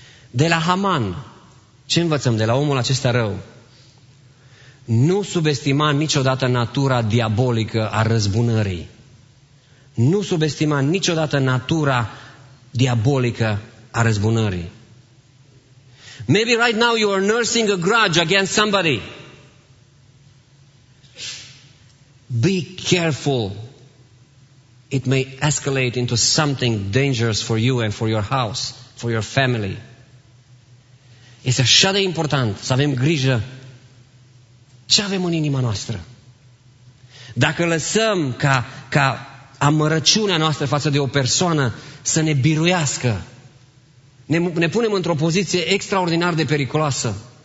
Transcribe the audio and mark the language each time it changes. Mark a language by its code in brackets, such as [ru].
[ro] De la Haman, ce învățăm de la omul acesta rău? Nu subestima niciodată natura diabolică a răzbunării. Nu subestima niciodată natura diabolică a răzbunării. [en] Maybe right now you are nursing a grudge against somebody. Be careful. It may escalate into something dangerous for you and for your house, for your family. [ro] Este așa de important să avem grijă ce avem în inima noastră. Dacă lăsăm ca amărăciunea noastră față de o persoană să ne biruiască, ne punem într-o poziție extraordinar de periculoasă.